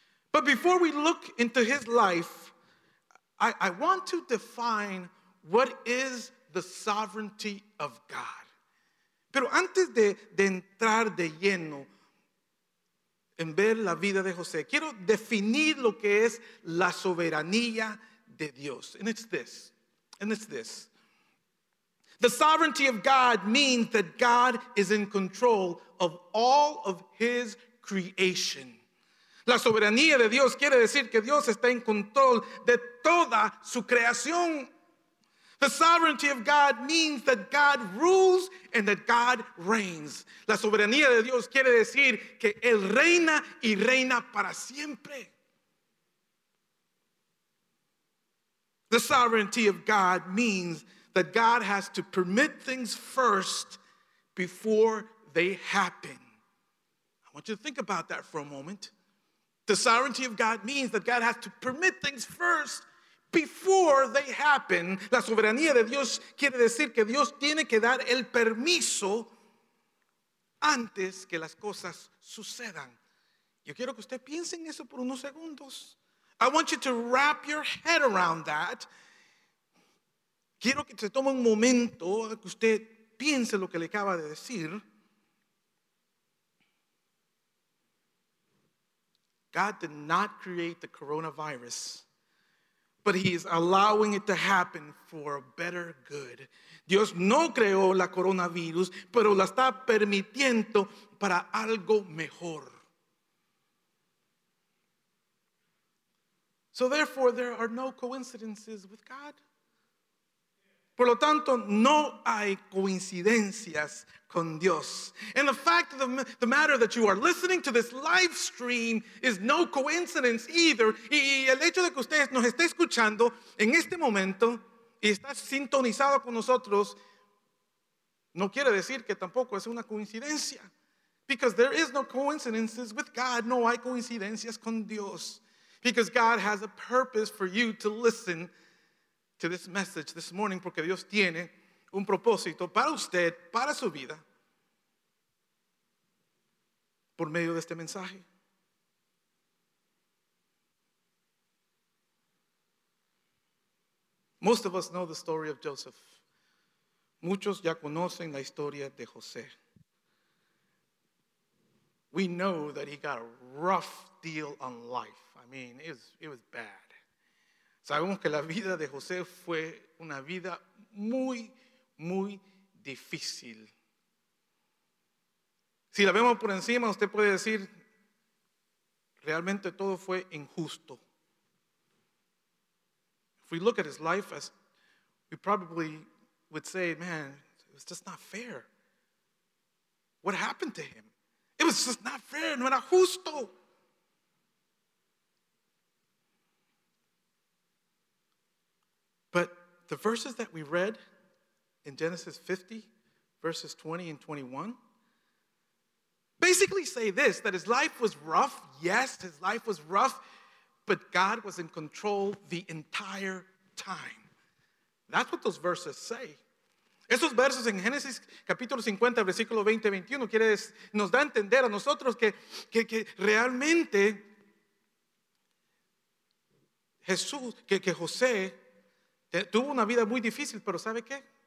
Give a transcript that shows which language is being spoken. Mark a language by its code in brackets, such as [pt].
[en] But before we look into his life, I want to define what is the sovereignty of God. [es] Pero antes de entrar de lleno en ver la vida de José, quiero definir lo que es la soberanía de Dios. [en] And it's this. The sovereignty of God means that God is in control of all of his creation. [es] La soberanía de Dios quiere decir que Dios está en control de toda su creación. [en] The sovereignty of God means that God rules and that God reigns. [es] La soberanía de Dios quiere decir que Él reina y reina para siempre. [en] The sovereignty of God means that God has to permit things first before they happen. I want you to think about that for a moment. The sovereignty of God means that God has to permit things first before they happen. [es] La soberanía de Dios quiere decir que Dios tiene que dar el permiso antes que las cosas sucedan. Yo quiero que usted piense en eso por unos segundos. [en] I want you to wrap your head around that. [es] Quiero que se tome un momento que usted piense lo que le acaba de decir. [en] God did not create the coronavirus, but he is allowing it to happen for a better good. [es] Dios no creó la coronavirus, pero la está permitiendo para algo mejor. [en] So therefore, there are no coincidences with God. [es] Por lo tanto, no hay coincidencias con Dios. [en] And the fact of the matter that you are listening to this live stream is no coincidence either. [es] Y el hecho de que usted nos esté escuchando en este momento y está sintonizado con nosotros, no quiere decir que tampoco es una coincidencia. [en] Because there is no coincidences with God. [es] No hay coincidencias con Dios. [en] Because God has a purpose for you to listen to this message this morning. [es] Porque Dios tiene un propósito para usted, para su vida, por medio de este mensaje. [en] Most of us know the story of Joseph. [es] Muchos ya conocen la historia de José. [en] We know that he got a rough deal on life. I mean, it was bad. [es] Sabemos que la vida de José fue una vida muy, muy difícil. Si la vemos por encima, usted puede decir, realmente todo fue injusto. [en] If we look at his life, as we probably would say, man, it's just not fair. What happened to him? It was just not fair, [es] no era justo. [en] The verses that we read in Genesis 50, verses 20 and 21, basically say this, that his life was rough. Yes, his life was rough, but God was in control the entire time. That's what those verses say. [es] Esos versos en Génesis capítulo 50, versículo 20 y 21, nos da a entender a nosotros que realmente Jesús, que José, tuvo una vida muy difícil, pero ¿sabe qué?